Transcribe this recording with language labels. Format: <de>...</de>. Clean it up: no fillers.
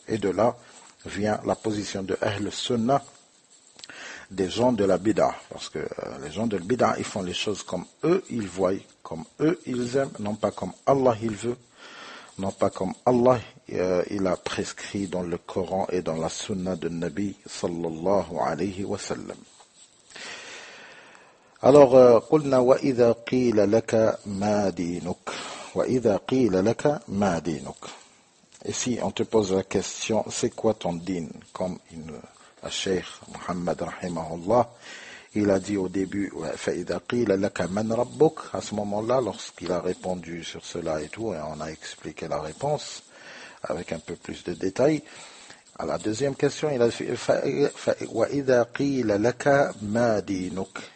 <fr>Et de là vient la position de Ahl Sunnah, des gens de la bida, parce que les gens de la bida, ils font les choses comme eux ils voient, comme eux ils aiment, non pas comme Allah il veut, non pas comme Allah il a prescrit dans le Coran et dans la sunna de Nabi sallallahu alayhi wa sallam.</fr> <ar>Alors, قلنا وإذا قيل لك ما دينك وإذا قيل لك ما دينك؟</ar> <fr>Et si on te pose la question, c'est quoi ton din? Comme le Cheikh Mohammed Rahimahullah, il a dit au début,</fr> <ar>فَإِذَا قِيلَ لَكَ مَنْ رَبُّكَ.</ar> <fr>À ce moment-là, lorsqu'il a répondu sur cela et tout, et on a expliqué la réponse avec un peu plus de détails, à la deuxième question, il a dit,</fr> <ar>وَإِذَا قِيلَ لَكَ مَا دِينُكَ.</ar>